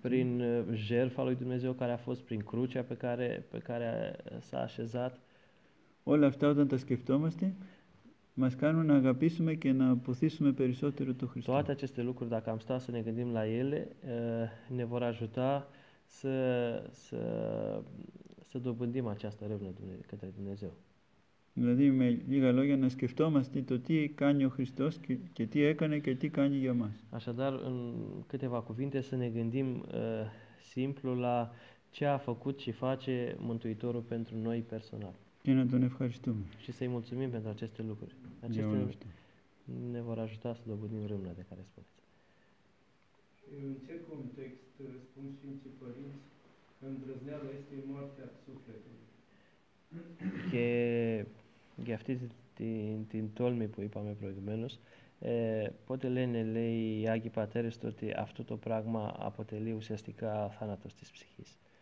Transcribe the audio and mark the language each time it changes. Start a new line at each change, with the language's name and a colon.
Romanian: Prin jertfa lui Dumnezeu care a fost prin crucea pe care s-a așezat.
Greek: Όλα αυτά όταν τα σκεφτόμαστε, μας κάνουν να αγαπήσουμε και να αποθήσουμε περισσότερο το Χριστό.
Romanian: Toate aceste lucruri, dacă am stat să ne gândim la ele, ne vor ajuta să dobândim această ρεύνα către Dumnezeu.
Greek: Δηλαδή, με λίγα λόγια, να σκεφτόμαστε το τι κάνει ο Χριστός και τι έκανε και τι κάνει για μας.
Romanian: Așadar, în câteva cuvinte, să ne gândim simplu la ce a făcut și face Mântuitorul pentru noi personal.
Greek: Και να Τον ευχαριστούμε.
Romanian: Și să-i mulțumim pentru aceste lucruri. Aceste ne vor ajuta să dobândim ρεύνα de care spuneți. În ce context spun Sfinții Părinți că îndrăzneala este moartea sufletului?
Greek: Que que αυτή την τόλμη που είπαμε προηγουμένως, πότε λένε, λέει οι Άγιοι Πατέρες, ότι αυτό το πράγμα αποτελεί ουσιαστικά θάνατος της ψυχής.